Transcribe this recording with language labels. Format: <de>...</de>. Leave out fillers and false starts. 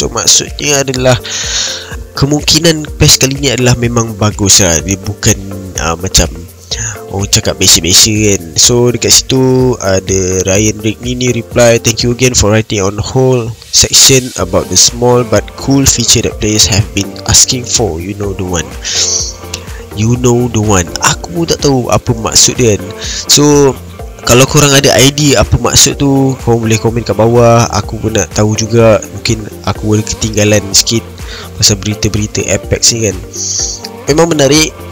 <ms>So maksudnya adalah kemungkinan patch kali ni adalah memang bagus lah. Dia bukan macam oh cakap biasa-biasa kan. So dekat situ ada Ryan Rick ni</ms> <en>reply, thank you again for writing on whole section about the small but cool feature that players have been asking for. You know the one. You know the one.</en> <ms>Aku pun tak tahu apa maksud dia kan. So kalau korang ada idea apa maksud tu, korang boleh komen kat bawah. Aku pun nak tahu juga. Mungkin aku boleh ketinggalan sikit pasal berita-berita Apex ni kan. Memang menarik.</ms>